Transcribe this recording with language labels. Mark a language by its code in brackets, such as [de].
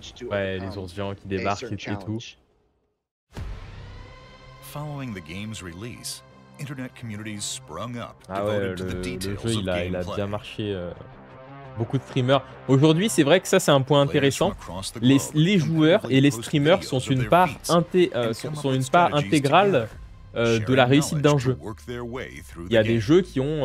[fr] Ouais, les ours géants qui débarquent et tout. [en] Following the game's release, internet communities sprung up. [fr] Ah ouais, le jeu, il a bien marché. Beaucoup de streamers. Aujourd'hui, c'est vrai que ça, c'est un point intéressant. Les joueurs et les streamers sont une part, sont une part intégrale de la réussite d'un jeu. Il y a des jeux qui ont...